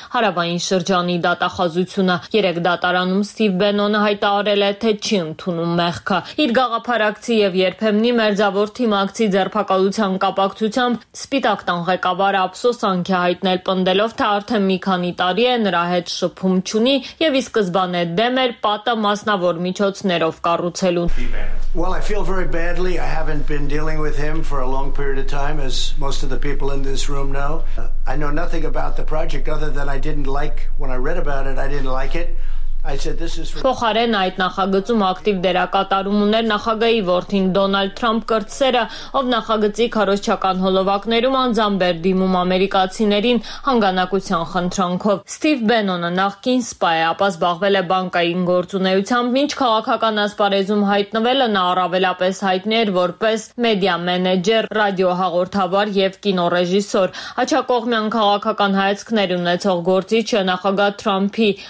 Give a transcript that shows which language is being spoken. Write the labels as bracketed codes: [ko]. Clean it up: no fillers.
[hy] հարավային շրջանի դատախազությունը։ 3 դատարանում Սթիվ Բենոնը հայտարարել է, թե չի ընդունում մեղքը։ Իր գաղափարակցի և երբեմնի մերձավոր թիմակցի ձերբակալության կապակցությամբ Սպիտակ տան ղեկավարը ափսոսանք է հայտնել, պնդելով, թե արդեն մի քանի տարի է նրա հետ շփում չունի և ի սկզբանե դեմ էր պատը մասնավոր միջոցներով կառուցելուն։ [en] Well, I feel very badly. I haven't been dealing with him for a long period of time, as most of the people in this room know. I know nothing about the project other than I didn't like when I read about it. I didn't like it. I said this is for [hy] Փոխարեն այդ նախագծում ակտիվ դերակատարում ուներ նախագահի որդին Դոնալդ Թրամփ կրտսերը, ով նախագծի քարոզչական հոլովակներում անձամբ էր դիմում ամերիկացիներին հանգանակության խնդրանքով։ Սթիվ Բենոնը նախկին սպա է, ապա զբաղվել է բանկային գործունեությամբ, ինչ քաղաքական ասպարեզում հայտնվելը նա առավելապես հայտնի էր որպես մեդիա մենեջեր, ռադիոհաղորդավար և կինոռեժիսոր։ Աչակողմյան քաղաքական հայացքներ ունեցող գործիչը նախագահ Թրամփի